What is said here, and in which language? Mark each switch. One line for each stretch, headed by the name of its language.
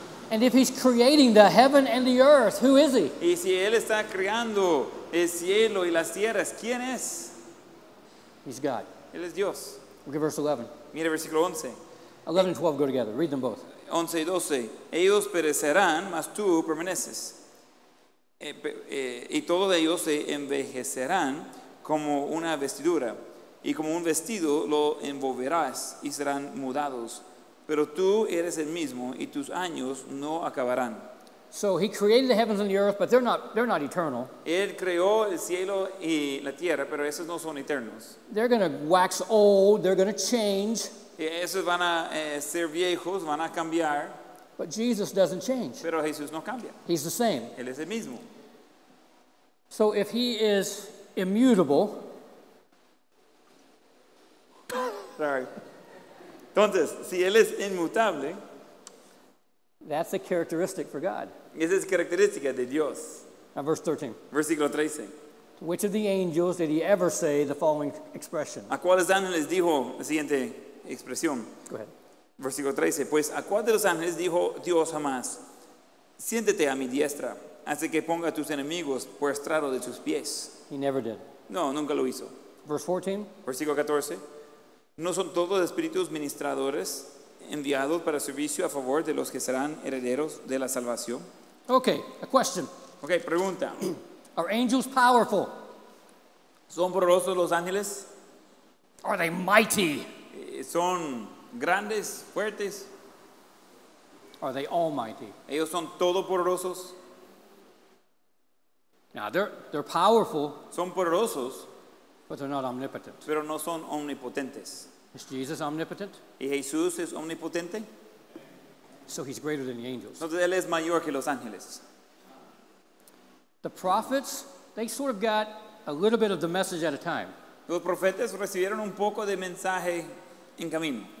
English: And if he's creating the heaven and the earth, who is he?
Spanish: Y si él está creando el cielo y las tierras, ¿quién es?
English: He's God.
Spanish: Él es Dios.
English: Look at verse 11.
Spanish: Mira versículo 11.
English: 11 and 12 go together. Read them both.
Spanish: 11 y 12. Ellos perecerán, mas tú permaneces. Y todos ellos se envejecerán como una vestidura. Y como un vestido lo envolverás y serán mudados. Pero tú eres el mismo y tus años no acabarán.
English: So he created the heavens and the earth, but they're not eternal.
Spanish: Él creó el cielo y la tierra, pero esos no son eternos.
English: They're going to wax old, they're going to change.
Spanish: Esos van a ser viejos, van a cambiar.
English: But Jesus doesn't change.
Spanish: Pero Jesús no cambia.
English: He's the same.
Spanish: Él es el mismo.
English: So if he is immutable. Sorry.
Spanish: Entonces, si él es inmutable,
English: that's a characteristic for God.
Spanish: Esa es característica de Dios.
English: Now verse 13.
Spanish: Versículo 13.
English: To which of the angels did he ever say the following expression?
Spanish: ¿A cuáles ángeles dijo la siguiente expresión?
English: Go ahead.
Spanish: Versículo 13. Pues, ¿a cuál de los ángeles dijo Dios jamás? Siéntete a mi diestra, hasta que ponga a tus enemigos por estrado de tus pies. He never did. No, nunca lo hizo. Verse 14. Versículo 14. ¿No son todos espíritus ministradores enviados para servicio a favor de los que serán herederos de la salvación?
English: Okay, a question.
Spanish: Okay, pregunta.
English: Are angels powerful?
Spanish: ¿Son poderosos los ángeles?
English: Are they mighty?
Spanish: ¿Son grandes, fuertes?
English: Are they almighty?
Spanish: ¿Ellos son todopoderosos?
English: No, they're powerful.
Spanish: ¿Son poderosos?
English: But they're not omnipotent.
Spanish: Pero no son omnipotentes.
English: Is Jesus omnipotent?
Spanish: ¿Y Jesús es omnipotente?
English: So he's greater than the angels.
Spanish: Entonces él es mayor que los ángeles.
English: The prophets, they sort of got a little bit of the message at a time.
Spanish: Los profetas recibieron un poco de mensaje en camino.